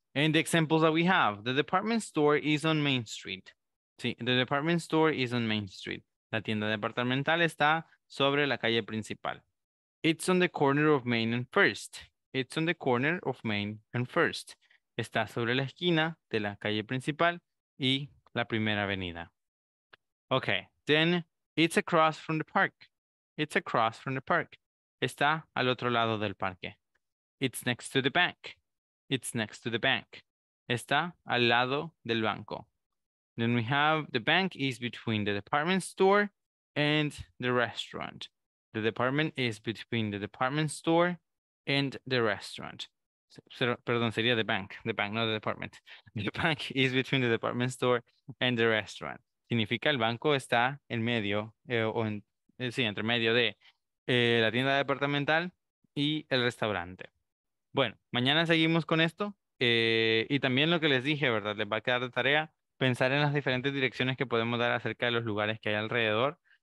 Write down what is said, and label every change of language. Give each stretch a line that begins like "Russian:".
English: In the examples that we have, the department store is on Main Street,
Spanish: ¿sí?
English: The department store is on Main Street.
Spanish: La tienda departamental está sobre la calle principal.
English: It's on the corner of Main and First. It's on the corner of Main and First.
Spanish: Está sobre la esquina de la calle principal y la primera avenida.
English: Okay, then it's across from the park. It's across from the park.
Spanish: Está al otro lado del parque.
English: It's next to the bank. It's next to the bank.
Spanish: Está al lado del banco.
English: Then we have the bank is between the department store and the restaurant. The department is between the department store and the restaurant.
Spanish: Perdón, sería
English: the bank, not the department. The bank is between the department store and the restaurant.
Spanish: Significa el banco está en medio, entre medio de la tienda departamental y el restaurante. Bueno, mañana seguimos con esto. Y también lo que les dije, ¿verdad? Les va a quedar de tarea pensar en las diferentes direcciones que podemos dar acerca de los lugares que hay alrededor.